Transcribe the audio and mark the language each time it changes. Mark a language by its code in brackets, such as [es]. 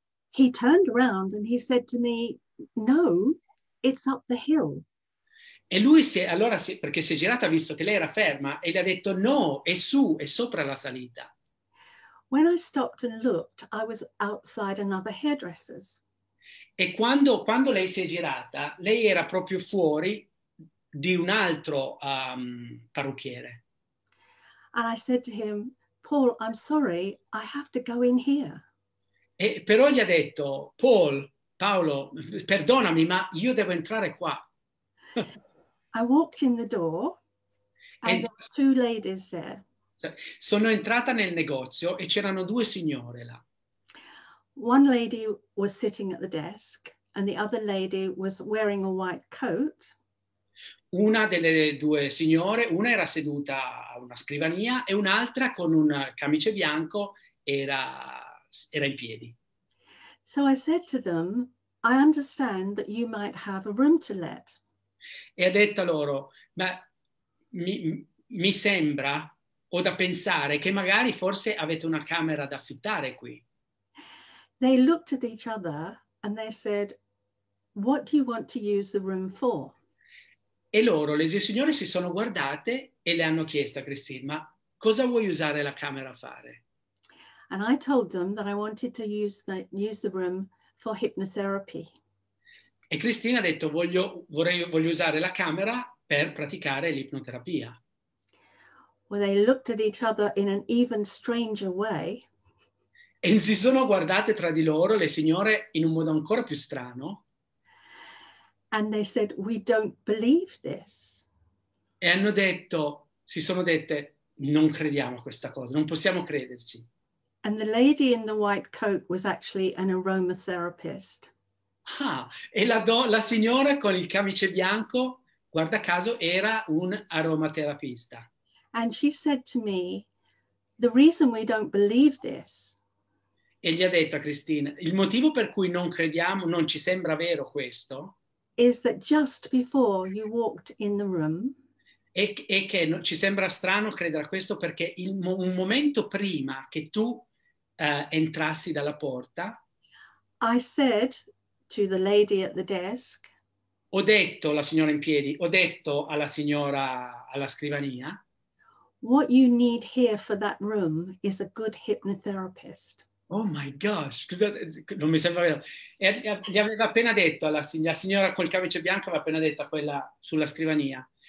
[en] He turned around and he said to me, "No, it's up the hill." [it] E lui perché si è girata, ha visto che lei era ferma e gli ha detto no, è su, è sopra la salita. [en] When I stopped and looked, I was outside another hairdresser's. [it] E quando lei si è girata, lei era proprio fuori di un altro parrucchiere. [en] And I said to him, "Paul, I'm sorry, I have to go in here." [it] E però gli ha detto, Paolo, perdonami, ma io devo entrare qua. [en] I walked in the door and there were two ladies there. [it] Sono entrata nel negozio e c'erano due signore là. [en] One lady was sitting at the desk and the other lady was wearing a white coat. [it] Una delle due signore, una era seduta a una scrivania e un'altra con un camice bianco era in piedi. [en] So I said to them, "I understand that you might have a room to let." [it] E ha detto loro, ma mi sembra o da pensare che magari forse avete una camera da affittare qui. [en] They looked at each other and they said, "What do you want to use the room for?" [it] E loro, le due signore, si sono guardate e le hanno chiesto a Christine, ma cosa vuoi usare la camera a fare? [en] And I told them that I wanted to use the room for hypnotherapy. [it] E Cristina ha detto, voglio usare la camera per praticare l'ipnoterapia. [en] Well, they looked at each other in an even stranger way. [it] E si sono guardate tra di loro, le signore, in un modo ancora più strano. [en] And they said, "We don't believe this." [it] E hanno detto, si sono dette, non crediamo a questa cosa, non possiamo crederci. [en] And the lady in the white coat was actually an aromatherapist. [it] Ah, e la signora con il camice bianco, guarda caso, era un aromaterapista. [en] And she said to me, "The reason we don't believe this." [it] E gli ha detto a Christine, il motivo per cui non crediamo, non ci sembra vero questo. [en] Is that just before you walked in the room. [it] E che non ci sembra strano credere a questo perché un momento prima che tu entrassi dalla porta. [en] I said to the lady at the desk. [it] Ho detto la signora in piedi, ho detto alla signora alla scrivania. [en] What you need here for that room is a good hypnotherapist. Oh my gosh, [it] non mi sembra vero. E gli aveva appena detto alla signora col camice bianco, aveva appena detto a quella sulla scrivania.